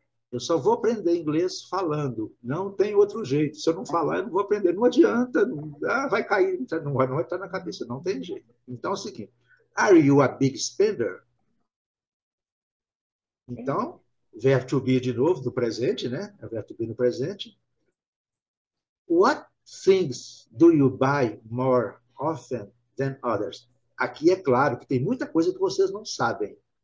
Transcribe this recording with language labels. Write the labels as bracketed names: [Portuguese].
[Portuguese] Eu só vou aprender inglês falando. Não tem outro jeito. Se eu não falar, eu não vou aprender. Não adianta. Não, ah, vai cair. Não vai estar na cabeça. Não tem jeito. Então, é o seguinte. [English] Are you a big spender? [Portuguese] Então, verbo to be de novo, do presente, né? É verbo to be no presente. [English] What things do you buy more often than others? [Portuguese] Aqui é claro que tem muita coisa que vocês não sabem.